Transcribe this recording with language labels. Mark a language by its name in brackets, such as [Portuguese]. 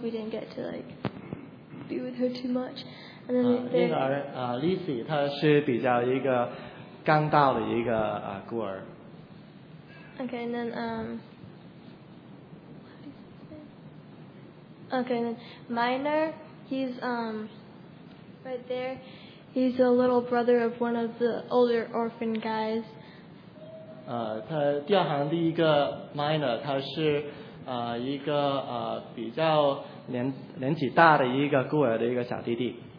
[English] We didn't get to like be with her too much. And then [Chinese] Lizzie 她是比较一个刚到的一个孤儿。 [English] Okay, and then, Okay, then Minor, he's right there. He's a little brother of one of the older orphan guys. [Chinese] 他第二行第一个 Minor， 他是一个比较年纪大的一个孤儿的一个小弟弟。